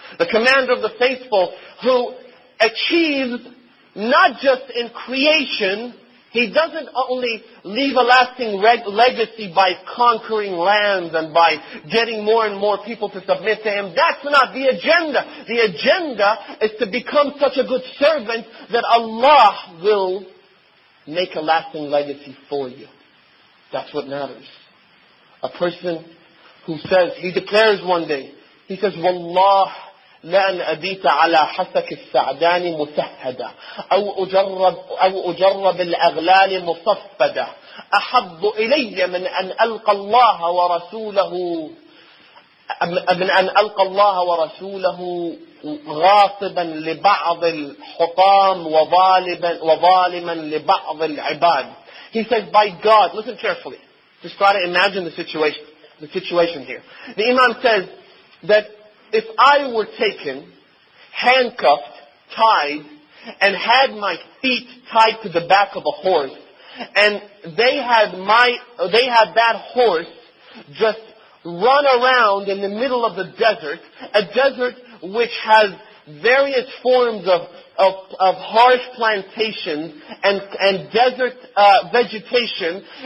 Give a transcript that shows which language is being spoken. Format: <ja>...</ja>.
<en>The Commander of the Faithful who achieves not just in creation, he doesn't only leave a lasting legacy by conquering lands and by getting more and more people to submit to him. That's not the agenda. The agenda is to become such a good servant that Allah will make a lasting legacy for you. That's what matters. A person who says, he declares one day, he says, Wallah,</en> <ar>لَأَنْ أَبِيتَ عَلَى حَسَكِ السَّعْدَانِ مُتَحَّدًا أَوْ أُجَرَّبِ الْأَغْلَالِ مُصَفَّدًا أَحَبُّ إِلَيَّ مِنْ أَنْ أَلْقَى اللَّهَ وَرَسُولَهُ مِنْ أَنْ أَلْقَى اللَّهَ وَرَسُولَهُ غَاصِبًا لِبَعْضِ الْحُطَامِ وَظَالِمًا لِبَعْضِ الْعِبَادِ.</ar> <en>He says, by God, listen carefully. Just try to imagine the situation here. The Imam says that if I were taken, handcuffed, tied, and had my feet tied to the back of a horse, and they had that horse just run around in the middle of the desert, a desert which has various forms of harsh plantations and desert vegetation</en>